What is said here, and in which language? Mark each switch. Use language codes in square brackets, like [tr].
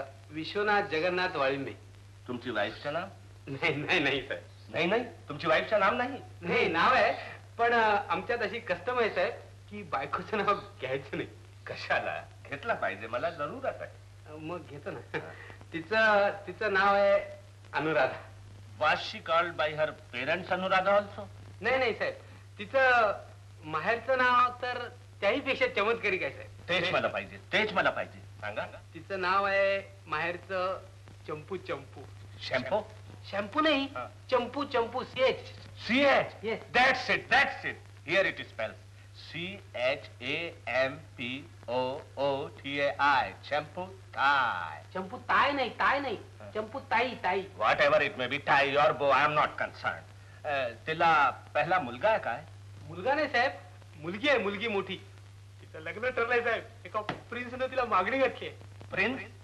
[mr] विश्वनाथ जगन्नाथ वाळिंबे. तुमची वाईफचं नाम? नाही नाही साहेब. नाही नाही, तुमची वाईफचं नाम नाही? नाही, नाव आहे, पण आमच्यात अशी कस्टम आहे साहेब की बायकोचं नाव घ्यायचं नाही. कशाला, घेतला पाहिजे मला जरूर आता. मग घेतो ना. तिचं नाव आहे Anuradha. [en] Was she called by her parents Anuradha also? [mr] नाही नाही साहेब, तिचं माहेरचं नाव तर त्याही पेक्षा चमत्कारिक आहे साहेब. तेच मला पाहिजे, तेच मला पाहिजे. सांगा, तिचं नाव आहे माहेरचं चंपू चंपू. शॅम्पू? शॅम्पू नाही, चंपू चंपू, C H [en] C H. That's it, that's it. Here it is spelled C H A M P O O T A I. [mr] चंपू ताय. चंपू ताय नाही, ताय नाही, चंपू ताई ताई. [en] Whatever it may be, tai your beau, I am not concern. [mr] तिला पहिला मुलगा आहे काय? मुलगा नाही साहेब, मुलगी आहे, मुलगी मोठी. तिचं लग्न ठरलंय साहेब एका प्रिन्स ने, तिला मागणी घातली. प्रिन्स?